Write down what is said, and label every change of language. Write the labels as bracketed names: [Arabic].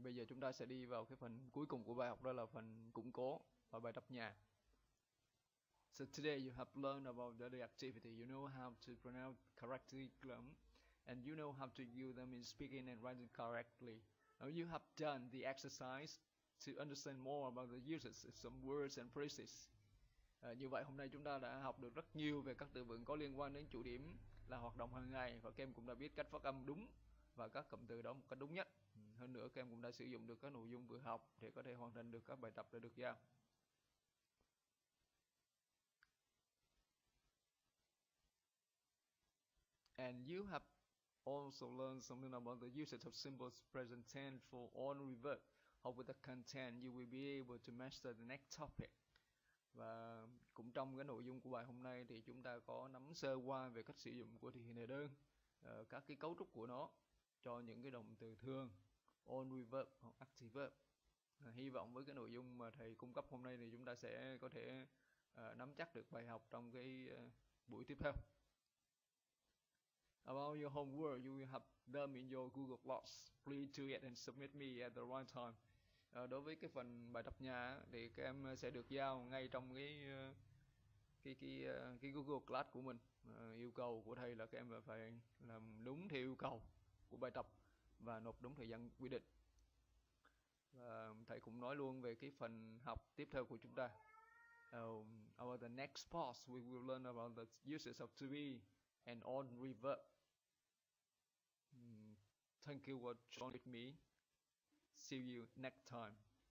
[Vietnamese] Bây giờ chúng ta sẽ đi vào cái phần cuối cùng của bài học, đó là phần củng cố và bài tập nhà. [English] So today you have learned about daily activity. You know how to pronounce correctly glum, and you know how to use them in speaking and writing correctly. Now you have done the exercise to understand more about the uses of some words and phrases. [Vietnamese] Như vậy hôm nay chúng ta đã học được rất nhiều về các từ vựng có liên quan đến chủ điểm là hoạt động hàng ngày, và các em cũng đã biết cách phát âm đúng và các cụm từ đó một cách đúng nhất. Hơn nữa các em cũng đã sử dụng được các nội dung vừa học để có thể hoàn thành được các bài tập đã được giao. [English] And you have also learned something about the usage of symbols present tense for ordinary verb. Hope with the content, you will be able to master the next topic. [Vietnamese] Và cũng trong cái nội dung của bài hôm nay thì chúng ta có nắm sơ qua về cách sử dụng của thể hiện đề đơn, các cái cấu trúc của nó cho những cái động từ thường, [English] ordinary verb [Vietnamese] hoặc [English] active verb. [Vietnamese] Hy vọng với cái nội dung mà thầy cung cấp hôm nay thì chúng ta sẽ có thể nắm chắc được bài học trong cái buổi tiếp theo. [English] About your homework, you will have them in your Google Docs. Please do it and submit me at the right time. [Vietnamese] Đối với cái phần bài tập nhà thì các em sẽ được giao ngay trong cái cái Google Class của mình. Yêu cầu của thầy là các em phải làm đúng theo yêu cầu của bài tập và nộp đúng thời gian quy định. Và thầy cũng nói luôn về cái phần học tiếp theo của chúng ta. [English] About the next part, we will learn about the uses of to be and on reverb. Thank you for joining me. See you next time.